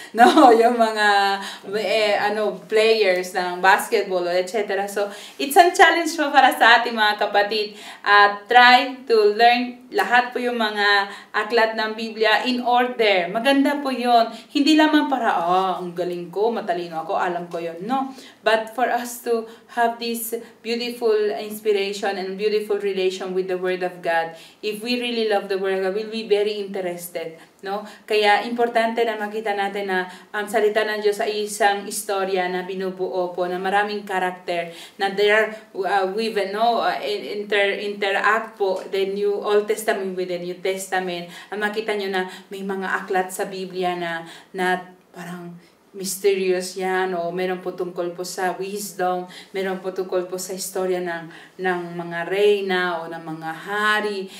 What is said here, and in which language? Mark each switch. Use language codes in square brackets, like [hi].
[tl] No, yung mga players ng basketball, etc. So, [en] it's a challenge [tl] po para sa ating mga kapatid. [en] Try to learn [tl] lahat po yung mga aklat ng Biblia [en] in order. [tl] Maganda po yon. Hindi lamang para, ang galing ko, matalino ako, alam ko yon. [en] No, but for us to have this beautiful inspiration and beautiful relation with the Word of God, if we really love the Word of God, we'll be very interested. No? [tl] Kaya importante na makita natin na ang salita ng Diyos ay isang istorya na binubuo po na maraming character na they are weaved, no? [en] Interact po the New Old Testament with the New Testament. [tl] At makita nyo na may mga aklat sa Biblia na parang mysterious yan, o meron po tungkol po sa wisdom, meron po tungkol po sa istorya ng mga reyna o ng mga hari.